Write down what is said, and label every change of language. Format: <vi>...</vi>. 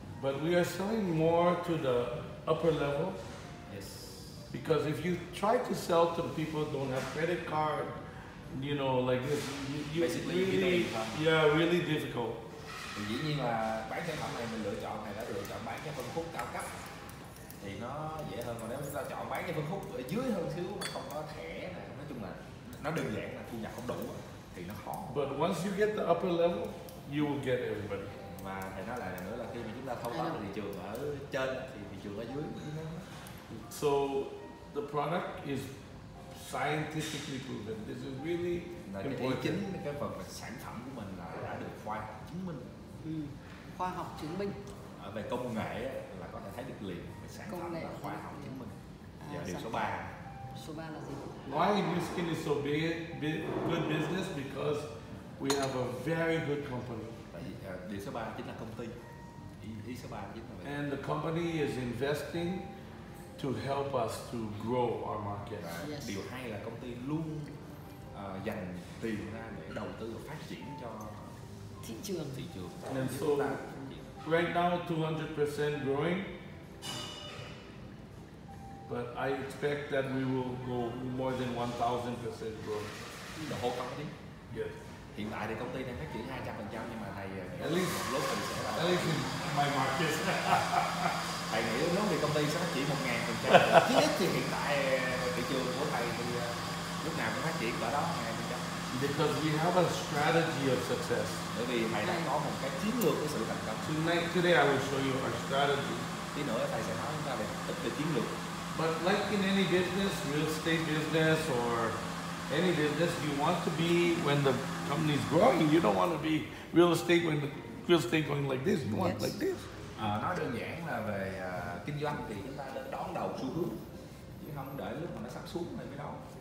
<en>But we are selling more to the upper level. Yes. Because if you try to sell to people who don't have credit card, you know, like this, you basically really, yeah, really difficult.</en> <vi>Dĩ nhiên là bán sản phẩm này mình lựa chọn này đã lựa chọn bán cái phân khúc cao cấp thì nó dễ hơn, còn nếu chúng ta chọn bán cái phân khúc ở dưới hơn xíu mà không có thẻ này, nói chung là nó đơn giản là thu nhập không đủ thì nó khó.</vi> <en>But once you get the upper level, you will get everybody.</en> <vi>Mà thầy nói lại là nữa là khi mà chúng ta thâu tóm được thị trường ở trên thì thị trường ở dưới.</vi> <en>So the product is scientifically proven. This is really important.</en> <vi>Cái ý chính cái phần là sản phẩm của mình là đã được khoa học chứng minh. Khoa học chứng minh. Ở về công nghệ là có thể thấy được liền về sản công phẩm nghệ là khoa học chứng minh. Giờ điều số 3. Số 3 là gì?</vi> <en>Why new skin is so big good business? Because we have a very good company.</en> <vi>Điều số 3 chính là công ty. Ý số 3 chính là.</vi> <en>And the company is investing to help us to grow our market. Yes.</en> <vi>Điều 2 là công ty luôn dành tiền ra để đầu tư và phát triển cho thị trường.</vi> <en>And so right now 200% growing. But I expect that we will go more than 1,000% growth. The whole company? Yes.</en> <vi>Hiện tại thì công ty đang phát triển 200%, nhưng mà thầy</vi> <en>at least</en> <vi>một lúc mình sẽ là</vi> <en>at least in my market.</en> <vi>Thầy nghĩ nếu thì công ty sẽ phát triển 1,000%. Chứ ít thì hiện tại thị trường của thầy thì lúc nào cũng phát triển cỡ đó 1,000%.</vi> <en>Because we have a strategy of success.</en> <vi>Bởi vì thầy đã có một cái chiến lược của sự thành công.</vi> <en>Today I will show you our strategy.</en> <vi>Tí nữa thầy sẽ nói chúng ta về chiến lược.</vi> <en>But like in any business, real estate business or any business, you want to be when the company is growing. You don't want to be real estate when the real estate going like this. You want yes. like this.</en> <vi>Nói đơn giản là về kinh doanh thì chúng ta nên đón đầu xu hướng chứ không để lúc mà nó sắp xuống thì mới đón.</vi>